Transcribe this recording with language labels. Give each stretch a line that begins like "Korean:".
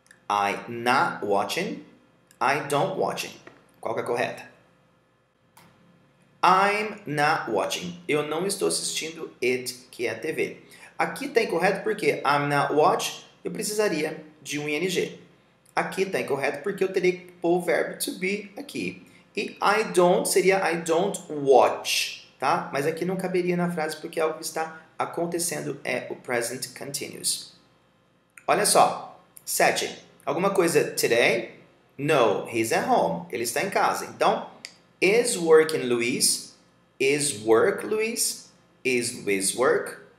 English: I'm not watching. I don't watching.
Portuguese: Qual que é a correta?
English: I'm not watching.
Portuguese: Eu não estou assistindo it, que é a TV. Aqui está incorreto porque
English: I'm not watch,
Portuguese: eu precisaria de um ing. Aqui está incorreto porque eu teria que pôr o verbo to be aqui.
English: E I don't seria I don't watch, tá?
Portuguese: Mas aqui não caberia na frase porque algo que está acontecendo é o present continuous. Olha só. 7. Alguma coisa today?
English: No, he's at home.
Portuguese: Ele está em casa. Então,
English: is working, Luis? Is work, Luis? Is Luis work?